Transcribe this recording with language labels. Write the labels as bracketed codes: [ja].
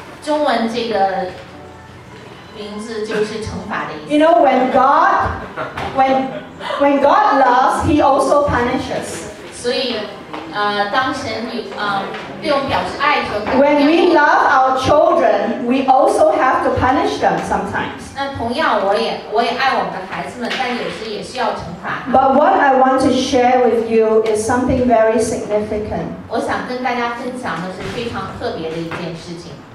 [zh] 中文这个名字就是惩罚的意思。 [en] You know, when God loves, He also punishes. [zh] 所以当神对我们表示爱的时候， [en] When we love our children, we also have to punish them sometimes. [zh] 那同样我也爱我们的孩子们，但有时也需要惩罚。 [en] But what I want to share with you is something very significant. [zh] 我想跟大家分享的是非常特别的一件事情。